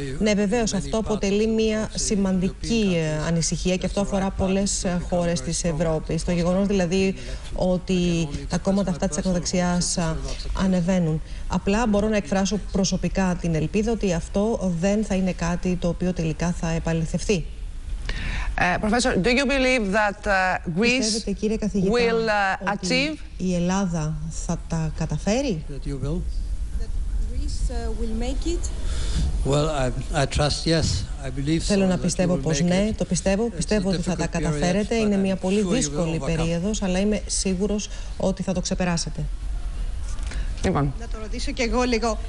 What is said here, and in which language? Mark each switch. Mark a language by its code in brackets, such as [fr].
[el] Ναι, βεβαίως, αυτό αποτελεί μια σημαντική ανησυχία και αυτό αφορά πολλές χώρες της Ευρώπης. Το γεγονός δηλαδή ότι τα κόμματα αυτά της ακροδεξιάς ανεβαίνουν. Απλά μπορώ να εκφράσω προσωπικά την ελπίδα ότι αυτό δεν θα είναι κάτι το οποίο τελικά θα επαληθευθεί. [en] Professor, do you believe that Greece will achieve? [el] Η Ελλάδα θα τα καταφέρει? [en] That you will. That Greece will make it. Well, I trust yes. I believe so. [el] Θέλω να πιστεύω πως ναι, το πιστεύω. Πιστεύω ότι θα τα καταφέρετε. Είναι μια πολύ δύσκολη περίοδος, αλλά είμαι σίγουρος ότι θα το ξεπεράσετε. Λοιπόν. Να το ρωτήσω και εγώ λίγο.